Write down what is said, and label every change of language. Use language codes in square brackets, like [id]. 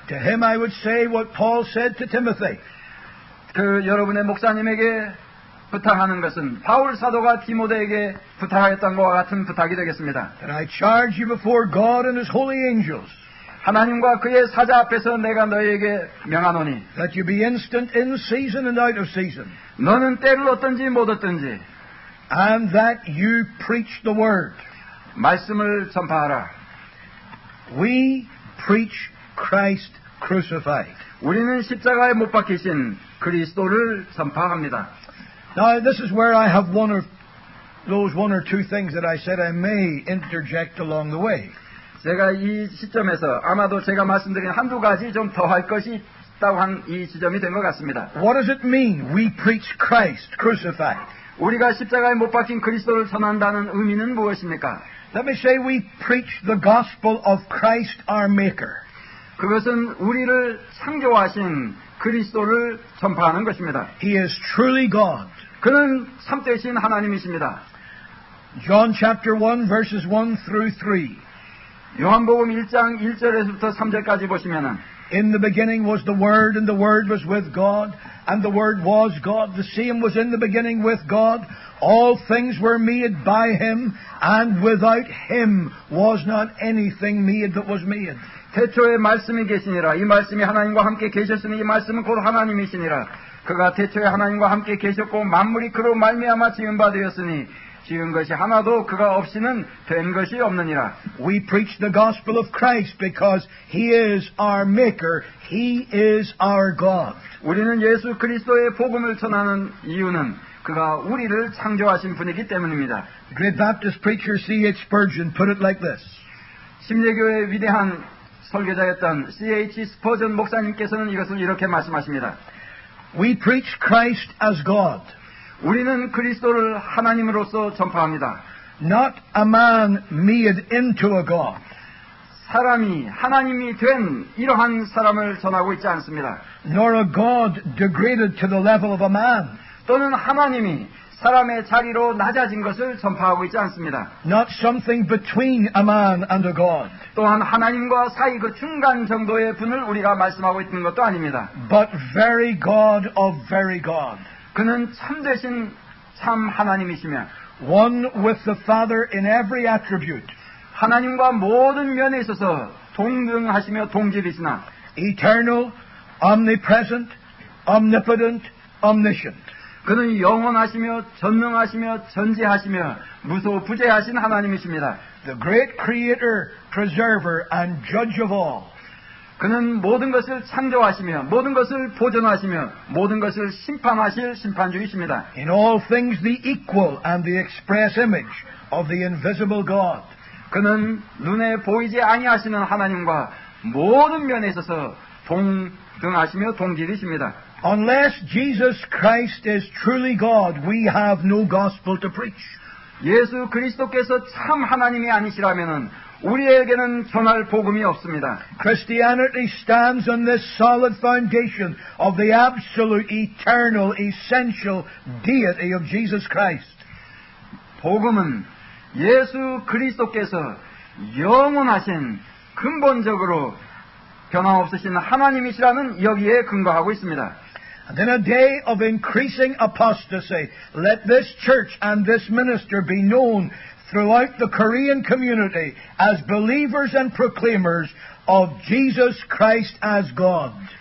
[en] To him I would say what Paul said to Timothy. [ko] 그 여러분의 목사님에게 부탁하는 것은 바울 사도가 디모데에게 부탁했던 것과 같은 부탁이 되겠습니다. [en] That I charge you before God and His holy angels. [ko] 하나님과 그의 사자 앞에서 내가 너희에게 명하노니 [en] that you be instant in season and out of season. [ko] 너는 때를 얻든지 못 얻든지 [en] and that you preach the word. [ko] 말씀을 전파하라. [en] We preach Christ crucified. [ko] 우리는 십자가에 못 박히신 그리스도를 전파합니다. [en] Now this is where I have one of those one or two things that I said I may interject along the way. [ko] 제가 이 시점에서 아마도 제가 말씀드린 한두 가지 좀 더 할 것이 있다고 한 이 지점이 된 것 같습니다. [en] What does it mean we preach Christ crucified? [ko] 우리가 십자가에 못 박힌 그리스도를 전한다는 의미는 무엇입니까? [en] Let me say we preach the gospel of Christ our Maker. [ko] 그것은 우리를 창조하신 그리스도를 전파하는 것입니다. [en] He is truly God. [ko] 그는 참되신 하나님이십니다. [en] John chapter 1 verses 1 through 3. [ko] 요한복음 1장 1절에서부터 3절까지 보시면은 [en] In the beginning was the word and the word was with God and the word was God the same was in the beginning with God all things were made by him and without him was not anything made that was made [ko] 태초에 말씀이 계시니라 이 말씀이 하나님과 함께 계셨으니 이 말씀은 곧 하나님이시니라 그가 태초에 하나님과 함께 계셨고 만물이 그로 말미암아 지은 바 되었으니 지은 것이 하나도 그가 없이는 된 것이 없느니라. [en] We preach the gospel of Christ because He is our Maker. He is our God. [ko] 우리는 예수 그리스도의 복음을 전하는 이유는 그가 우리를 창조하신 분이기 때문입니다. [en] Great Baptist preacher C.H. Spurgeon put it like this. [ko] 침례교회 위대한 설교자였던 C.H. Spurgeon 목사님께서는 이것을 이렇게 말씀하십니다. [en] We preach Christ as God. [ko] 우리는 그리스도를 하나님으로서 전파합니다. [en] Not a man made into a God. [ko] 사람이 하나님이 된 이러한 사람을 전하고 있지 않습니다. [en] Nor a God degraded to the level of a man. [ko] 또는 하나님이 사람의 자리로 낮아진 것을 전파하고 있지 않습니다. [en] Not something between a man and a God. [ko] 또한 하나님과 사이 그 중간 정도의 분을 우리가 말씀하고 있는 것도 아닙니다. [en] But very God of very God. [ko] 그는 참되신 참 하나님이시며 [en] One with the Father in every attribute. [ko] 하나님과 모든 면에 있어서 동등하시며 동질이시나 [en] Eternal, omnipresent, omnipotent, omniscient. [ko] 그는 영원하시며 전능하시며 전지하시며 무소부재하신 하나님이십니다. [en] The great creator, preserver, and judge of all. [ko] 그는 모든 것을 창조하시며 모든 것을 보존하시며 모든 것을 심판하실 심판주이십니다. [en] In all things the equal and the express image of the invisible God. [ko] 그는 눈에 보이지 아니하시는 하나님과 모든 면에 있어서 동등하시며 동질이십니다. [en] Unless Jesus Christ is truly God, we have no gospel to preach. [ko] 예수 그리스도께서 참 하나님이 아니시라면은 우리에게는 전할 복음이 없습니다. [en] Christianity stands on this solid foundation of the absolute, eternal, essential deity of Jesus Christ. [ko] 복음은 예수 그리스도께서 영원하신 근본적으로 변함없으신 하나님이시라는 여기에 근거하고 있습니다. [en] And in a day of increasing apostasy, let this church and this minister be known throughout the Korean community as believers and proclaimers of Jesus Christ as God.